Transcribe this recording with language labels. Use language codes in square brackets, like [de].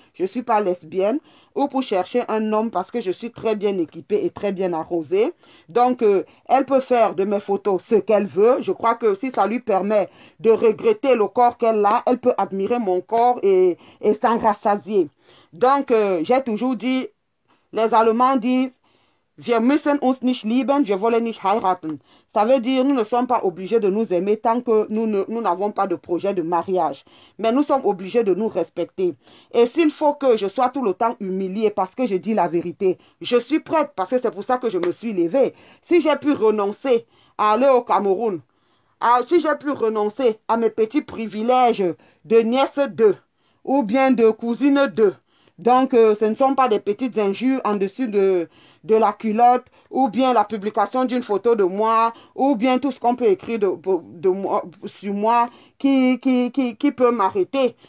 [fr] Je ne suis pas lesbienne ou pour chercher un homme parce que je suis très bien équipée et très bien arrosée. Donc, elle peut faire de mes photos ce qu'elle veut. Je crois que si ça lui permet de regretter le corps qu'elle a, elle peut admirer mon corps et s'en rassasier. Donc, j'ai toujours dit, les Allemands disent, [de] Wir müssen uns nicht lieben, wir wollen nicht heiraten. [fr] Ça veut dire, nous ne sommes pas obligés de nous aimer tant que nous n'avons pas de projet de mariage. Mais nous sommes obligés de nous respecter. Et s'il faut que je sois tout le temps humiliée parce que je dis la vérité, je suis prête parce que c'est pour ça que je me suis levée. Si j'ai pu renoncer à aller au Cameroun, si j'ai pu renoncer à mes petits privilèges de nièce 2 ou bien de cousine 2, donc ce ne sont pas des petites injures en dessous de la culotte, ou bien la publication d'une photo de moi, ou bien tout ce qu'on peut écrire de moi, sur moi qui peut m'arrêter.